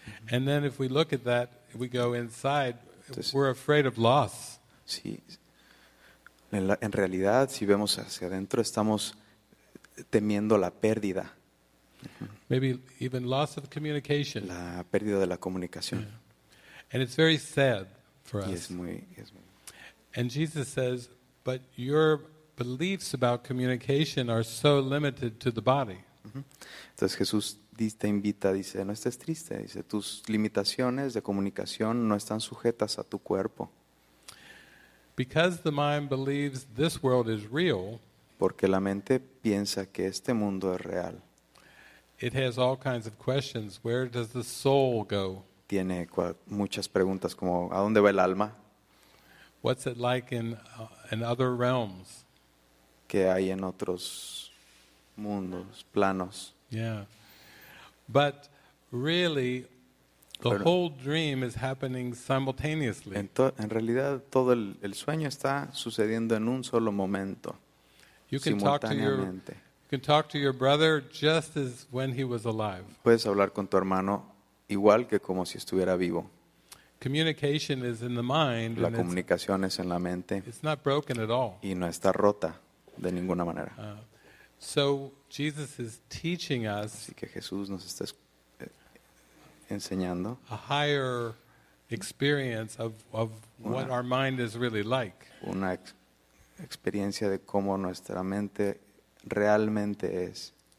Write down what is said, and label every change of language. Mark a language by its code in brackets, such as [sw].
[en] And then if we look at that, if we go inside, [es] entonces, [en] we're afraid of loss. [es] Sí. En realidad, si vemos hacia adentro, estamos temiendo la pérdida. [en] Maybe even loss of communication. [es] La pérdida de la comunicación. [en] Yeah. And it's very sad for us. [es] Y es muy, es muy. [en] And Jesus says, but your beliefs about communication are so limited to the body. [es] Entonces Jesús te invita, dice, no estés triste. Dice, tus limitaciones de comunicación no están sujetas a tu cuerpo. [en] Because the mind believes this world is real, [es] porque la mente piensa que este mundo es real. [en] It has all kinds of questions. Where does the soul go? [es] Tiene muchas preguntas como ¿a dónde va el alma? [en] What's it like in other realms? [es] ¿Qué hay en otros mundos, planos? [en] Yeah. But really, the whole dream is happening simultaneously. [es] En realidad, todo el sueño está sucediendo en un solo momento. [en] You can talk to your brother just as when he was alive. [es] Puedes hablar con tu hermano igual que como si estuviera vivo. [en] Communication is in the mind. [es] La comunicación es en la mente. [en] It's not broken at all. [es] Y no está rota de ninguna manera. [en] So Jesus is teaching us. [es] Así que Jesús nos está enseñando [en] a higher experience of what our mind is really like. [es] Una experiencia de cómo nuestra mente realmente es.